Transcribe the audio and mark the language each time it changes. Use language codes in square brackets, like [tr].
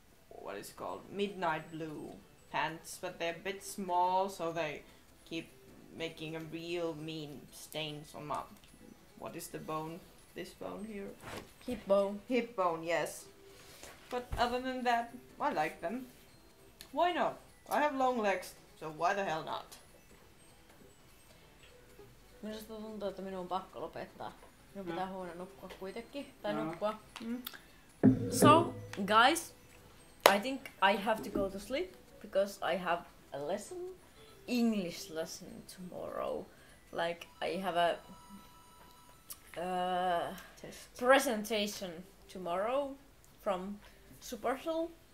[en] What is it called, midnight blue pants, but they're a bit small, so they keep making a real mean stains on my... What is the bone? This bone here? Hip bone. Hip bone, yes. But other than that, I like them. Why not? I have long legs, so why the hell not? [fi] Minusta tuntuu, että minun on pakko lopettaa. Minun pitää huone nukkua kuitenkin. Tai nukkua. [en] So, guys, I think I have to go to sleep because I have a lesson. English lesson tomorrow. like I have a presentation tomorrow from Supercell.